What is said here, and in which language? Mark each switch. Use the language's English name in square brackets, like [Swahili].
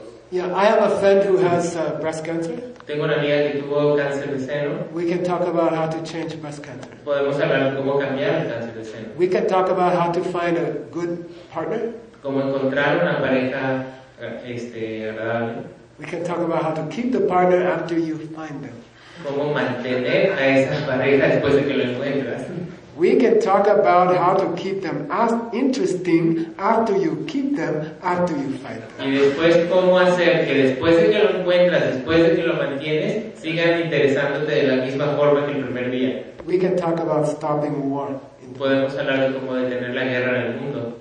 [English] Yeah, I have a friend who has breast cancer. [Spanish] Tengo una amiga que tuvo cáncer de seno. [English] We can talk about how to change breast cancer. [Spanish] Podemos hablar de cómo cambiar el cáncer de seno. [English] We can talk about how to find a good partner. [Spanish] Cómo encontrar una pareja agradable. [English] We can talk about how to keep the partner after you find them. [Spanish] Cómo mantener a esa pareja después de que lo encuentras. [English] We can talk about how to keep them as interesting after you keep them, after you fight them. [Spanish] Y después cómo hacer que después de que lo encuentras, después de que lo mantienes, sigan interesándote de la misma forma que el primer día. [English] We can talk about stopping war. [Spanish] Podemos hablar de cómo detener la guerra en el mundo.